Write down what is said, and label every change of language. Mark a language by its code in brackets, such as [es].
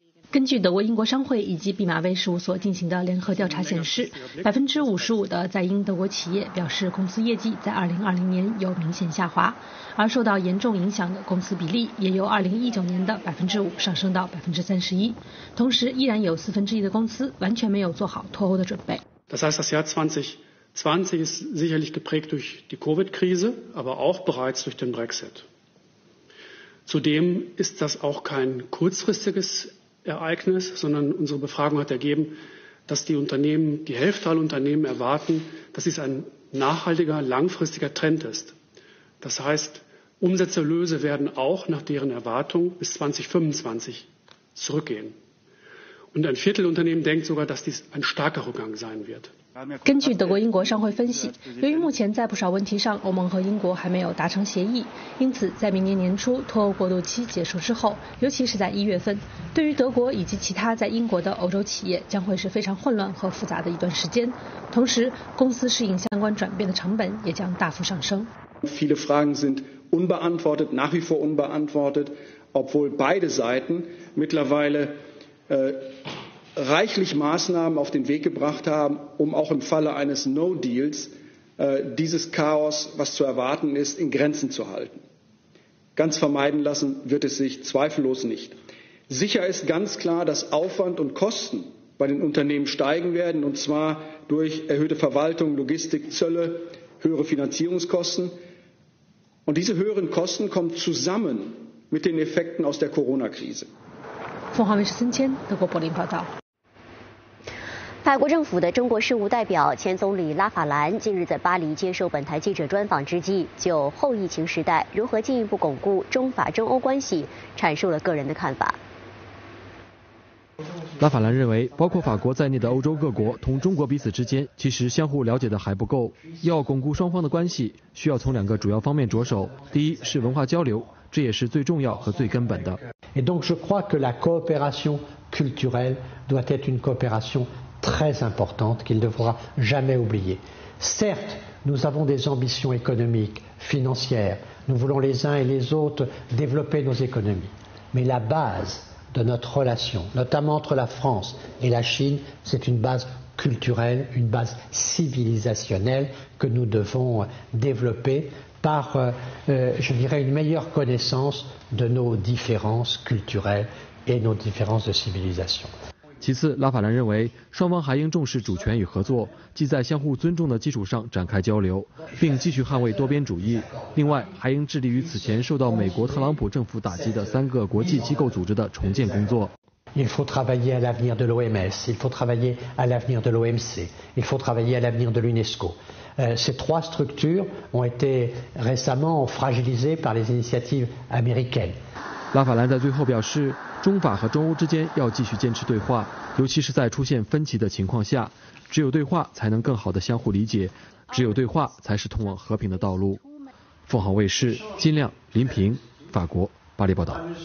[zh] 根据德国英国商会以及毕马威事务所进行的联合调查显示，55%的在英德国企业表示公司业绩在2020年有明显下滑，而受到严重影响的公司比例也由2019年的5%上升到31%，同时依然有1/4的公司完全没有做好脱欧的准备。 [de] Das heißt, das Jahr 2020 ist sicherlich geprägt durch die Covid-Krise, aber auch bereits durch den Brexit. Zudem ist das auch kein kurzfristiges Ereignis, sondern unsere Befragung hat ergeben, dass die Unternehmen, die Hälfte aller Unternehmen erwarten, dass dies ein nachhaltiger, langfristiger Trend ist. Das heißt, Umsatzerlöse werden auch nach deren Erwartung bis 2025 zurückgehen. Und ein Viertel Unternehmen denkt sogar, dass dies ein starker Rückgang sein wird. 根据德国英国商会分析，由于目前在不少问题上欧盟和英国还没有达成协议，因此在明年年初脱欧过渡期结束之后，尤其是在1月份，对于德国以及其他在英国的欧洲企业将会是非常混乱和复杂的一段时间，同时公司适应相关转变的成本也将大幅上升。 Viele Fragen sind unbeantwortet, nach wie vor unbeantwortet, obwohl beide Seiten mittlerweile reichlich Maßnahmen auf den Weg gebracht haben, um auch im Falle eines No-Deals dieses Chaos, was zu erwarten ist, in Grenzen zu halten. Ganz vermeiden lassen wird es sich zweifellos nicht. Sicher ist ganz klar, dass Aufwand und Kosten bei den Unternehmen steigen werden, und zwar durch erhöhte Verwaltung, Logistik, Zölle, höhere Finanzierungskosten. Und diese höheren Kosten kommen zusammen mit den Effekten aus der Corona-Krise. [zh] 凤凰卫视孙谦，德国柏林报道。法国政府的中国事务代表前总理拉法兰近日在巴黎接受本台记者专访之际，就后疫情时代如何进一步巩固中法中欧关系阐述了个人的看法。拉法兰认为，包括法国在内的欧洲各国同中国彼此之间其实相互了解的还不够，要巩固双方的关系需要从两个主要方面着手。第一是文化交流，这也是最重要和最根本的。 [fr] Et donc je crois que la coopération culturelle doit être une coopération très importante qu'il ne devra jamais oublier. Certes, nous avons des ambitions économiques, financières. Nous voulons les uns et les autres développer nos économies. Mais la base de notre relation, notamment entre la France et la Chine, c'est une base culturelle, une base civilisationnelle que nous devons développer. par, je dirais, une meilleure connaissance de nos différences culturelles et nos différences de civilisation. [zh] 其次，拉法兰认为，双方还应重视主权与合作，即在相互尊重的基础上展开交流，并继续捍卫多边主义。另外，还应致力于此前受到美国特朗普政府打击的三个国际机构组织的重建工作。 [fr] Il faut travailler à l'avenir de l'OMS, il faut travailler à l'avenir de l'OMC, il faut travailler à l'avenir de l'UNESCO. Ces trois structures ont été récemment fragilisées par les initiatives américaines. [zh] 拉法兰在最后表示，中法和中欧之间要继续坚持对话，尤其是在出现分歧的情况下，只有对话才能更好地相互理解，只有对话才是通往和平的道路。凤凰卫视金亮、林平，法国巴黎报道。